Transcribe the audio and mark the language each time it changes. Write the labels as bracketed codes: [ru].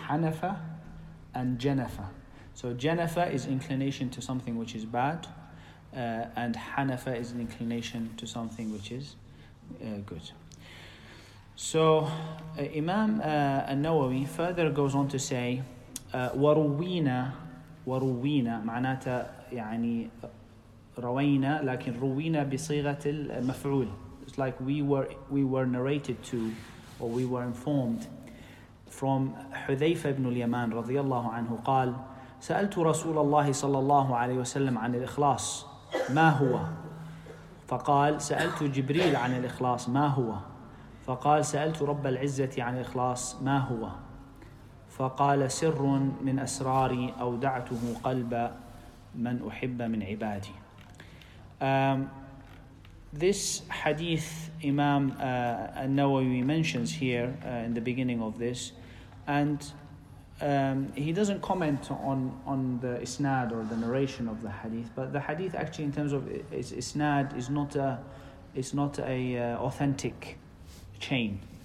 [en] Hanafa and Jenefa. So Jenefa is inclination to something which is bad, and Hanafa is an inclination to something which is good. So Imam An-Nawawi further goes on to say, [ar] وَرُوِّينَ مَعْنَاتَ يعني رَوَيْنَا لَكِنْ رُوِّينَ بِصِيغَةِ الْمَفْعُولِ. [en] It's like we were narrated to, or we were informed from [ar] حذيفة بن اليمان رضي الله عنه قال سألت رسول الله صلى الله عليه وسلم عن الإخلاص ما هو فقال سألت جبريل عن الإخلاص ما هو فقال سألت رب العزة عن الإخلاص ما هو فقال سر من أسراري أودعته قلب من أحب من عبادي. [en] This hadith Imam An-Nawawi mentions here in the beginning of this, and he doesn't comment on the isnad or the narration of the hadith, but the hadith actually in terms of its isnad is not a authentic chain.